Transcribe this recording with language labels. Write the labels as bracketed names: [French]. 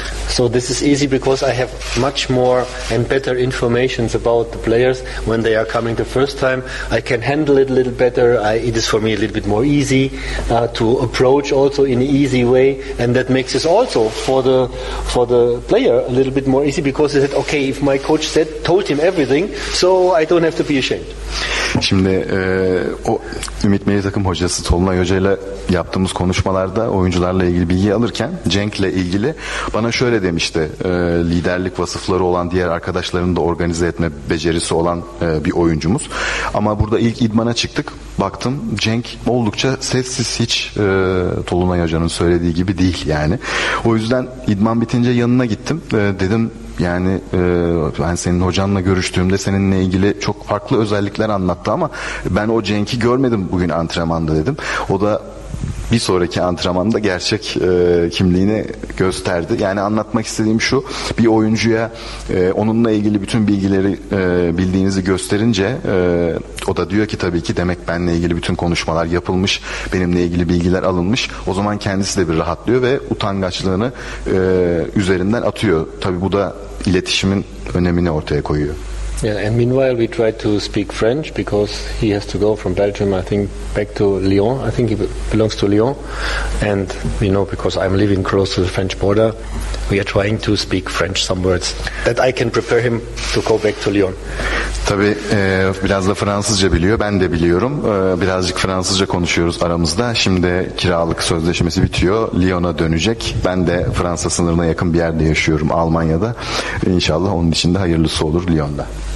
[English] So this is easy because I have much more and better information about the players when they are coming the first time. I can handle it a little better. It is for me a little bit more easy to approach also in an easy way. And that makes it also for the player a little bit more easy because he said, okay, if my coach said, told him everything, so I don't have to be ashamed. [Turkish] Şimdi o Ümit Milli Takım hocası Tolunay Hoca ile yaptığımız konuşmalarda oyuncularla ilgili bilgi alırken Cenk ile ilgili bana şöyle demişti. Liderlik vasıfları olan, diğer arkadaşlarını da organize etme becerisi olan bir oyuncumuz. Ama burada ilk idmana çıktık. Baktım Cenk oldukça sessiz, hiç Tolunay Hoca'nın söylediği gibi değil yani. O yüzden idman bitince yanına gittim. Dedim yani ben senin hocanla görüştüğümde seninle ilgili çok farklı özellikler anlattı ama ben o Cenk'i görmedim bugün antrenmanda dedim. O da bir sonraki antrenmanda gerçek kimliğini gösterdi. Yani anlatmak istediğim şu, bir oyuncuya onunla ilgili bütün bilgileri bildiğinizi gösterince o da diyor ki tabii ki demek benimle ilgili bütün konuşmalar yapılmış, benimle ilgili bilgiler alınmış. O zaman kendisi de bir rahatlıyor ve utangaçlığını üzerinden atıyor. Tabii bu da iletişimin önemini ortaya koyuyor. [English] Yeah, and meanwhile we tried to speak French because he has to go from Belgium, I think, back to Lyon. I think he belongs to Lyon. And, you know, because I'm living close to the French border, we are trying to speak French some words that I can prepare him to go back to Lyon. [Turkish] Tabii biraz da Fransızca biliyor, ben de biliyorum. Birazcık Fransızca konuşuyoruz aramızda. Şimdi kiralık sözleşmesi bitiyor, Lyon'a dönecek. Ben de Fransa sınırına yakın bir yerde yaşıyorum, Almanya'da. İnşallah onun için de hayırlısı olur Lyon'da.